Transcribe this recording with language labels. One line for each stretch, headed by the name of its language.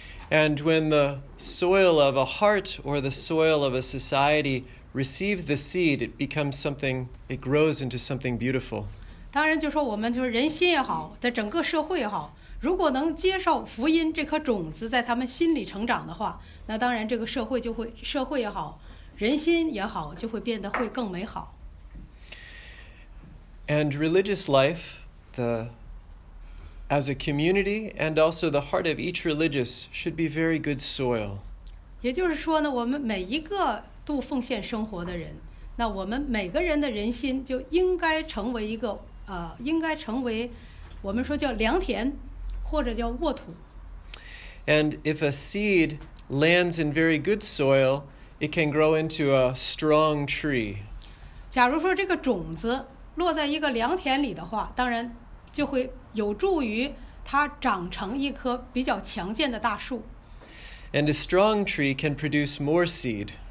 English: And when the soil of a heart or the soil of a society receives the seed, it becomes something. It grows into something beautiful.
Chinese: 当然，就说我们就是人心也好，在整个社会也好。如果能接受福音这颗种子在他们心里成长的话，那当然这个社会就会，社会也好，人心也好，就会变得会更美好。
English: And religious life, as a community, and also the heart of each religious should be very good soil.
Chinese: 也就是说呢，我们每一个度奉献生活的人，那我们每个人的人心就应该成为一个应该成为我们说叫良田。或者叫沃土。
English: And if a seed lands in very good soil, it can grow into a strong tree.
Chinese: 假如说这个种子落在一个良田里的话，当然就会有助于它长成一棵比较强健的大树。
English: And a strong tree can produce more seed.